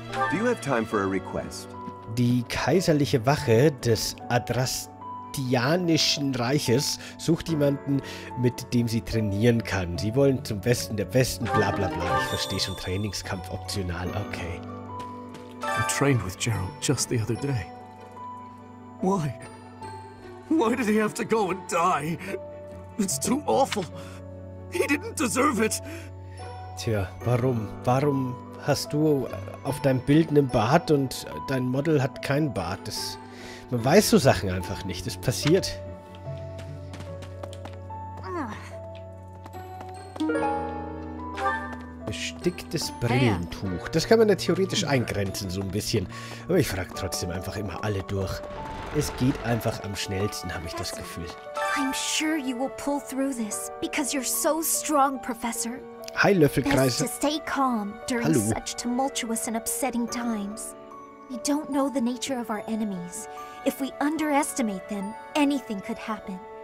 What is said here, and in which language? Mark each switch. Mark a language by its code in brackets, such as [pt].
[en] Do you have time for a request? [de] Die kaiserliche Wache des Adrastianischen Reiches sucht jemanden, mit dem sie trainieren kann. Sie wollen zum Besten der Besten, bla bla bla. Ich verstehe schon, Trainingskampf optional. Okay. [en] I trained with Gerald just the other day. Why? Why did he have to go and die? It's too awful. He didn't deserve it. [de] Tja, warum? Warum hast du auf deinem Bild einen Bart und dein Model hat keinen Bart? Das, man weiß so Sachen einfach nicht. Das passiert. Besticktes Brillentuch. Das kann man ja theoretisch eingrenzen, so ein bisschen. Aber ich frage trotzdem einfach immer alle durch. Es geht einfach am schnellsten, habe ich das Gefühl. [en] I'm sure you will pull through this, because you're so strong, Professor. [de] Hi, Löffelkreis. [en] Best to stay calm during [de] Hallo. [en] Such tumultuous and upsetting times. We don't know the nature of our enemies. If we underestimate them, anything could happen.